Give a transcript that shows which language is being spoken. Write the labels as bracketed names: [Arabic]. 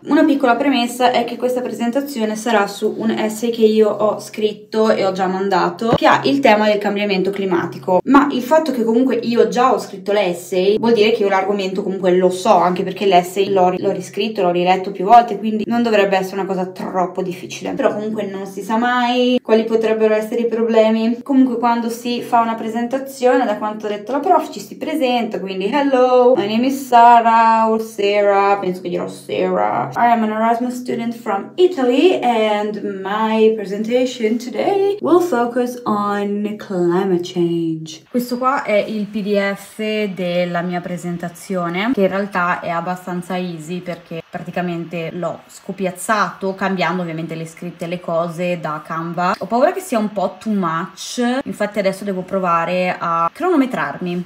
[Italian] Una piccola premessa è che questa presentazione sarà su un essay che io ho scritto e ho già mandato, che ha il tema del cambiamento climatico, ma il fatto che comunque io già ho scritto l'essay vuol dire che io l'argomento comunque lo so, anche perché l'essay l'ho riscritto, l'ho riletto più volte, quindi non dovrebbe essere una cosa troppo difficile. Però comunque non si sa mai quali potrebbero essere i problemi. Comunque quando si fa una presentazione, da quanto ha detto la prof ci si presenta, quindi [English] hello, my name is Sarah, or Sarah, [Italian] penso che dirò Sarah. [English] I am an Erasmus student from Italy and my presentation today will focus on climate change. [Italian] Questo qua è il PDF della mia presentazione, che in realtà è abbastanza easy perché praticamente l'ho scopiazzato, cambiando ovviamente le scritte e le cose da Canva. Ho paura che sia un po' too much, infatti adesso devo provare a cronometrarmi,